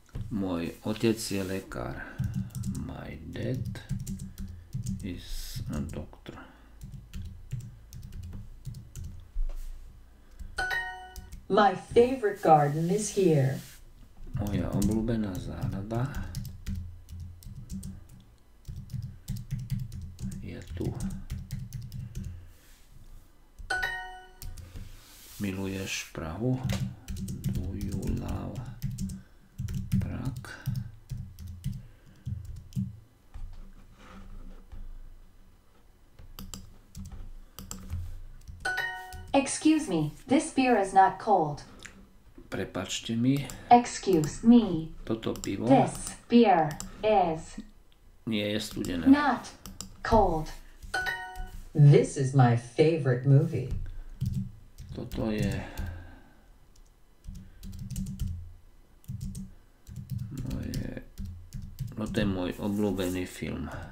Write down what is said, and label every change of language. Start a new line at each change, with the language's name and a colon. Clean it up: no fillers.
Slovak: Môj otec je lekár.
English: My dad is a doctor. My favorite garden is here.
Slovak: Moja obľúbená záhrada je tu. Miluješ Prahu?
English: Do you love Prague? Excuse me, this beer is not cold.
Slovak: Prepáčte mi.
English: Excuse me.
Slovak: Toto pivo.
English: This beer is.
Slovak: Nie je studené.
English: Not cold. This is my favorite movie.
Slovak: Toto je môj obľúbený film.